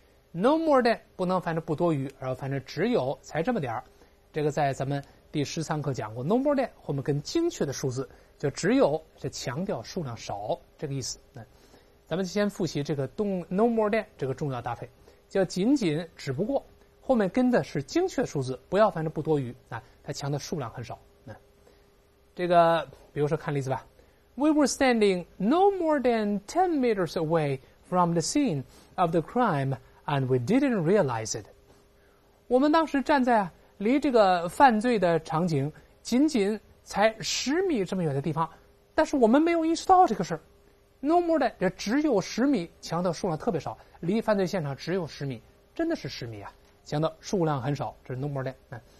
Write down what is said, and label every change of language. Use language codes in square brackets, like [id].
[zh] No more than 不能翻成不多余，而要翻成只有才这么点，这个在咱们第13课讲过 No more than 后面跟精确的数字，就只有这强调数量少这个意思。咱们先复习这个 No more than 这个重要搭配，叫仅仅只不过，后面跟的是精确数字，不要翻成不多余，它强调数量很少。这个比如说看例子吧。 [en] We were standing no more than 10 meters away from the scene of the crime and we didn't realize it. [zh] 我们当时站在离这个犯罪的场景仅仅才十米这么远的地方，但是我们没有意识到这个事儿。 No more than, 这只有十米，墙的数量特别少，离犯罪现场只有十米，真的是十米啊，墙的数量很少，这是 no more than。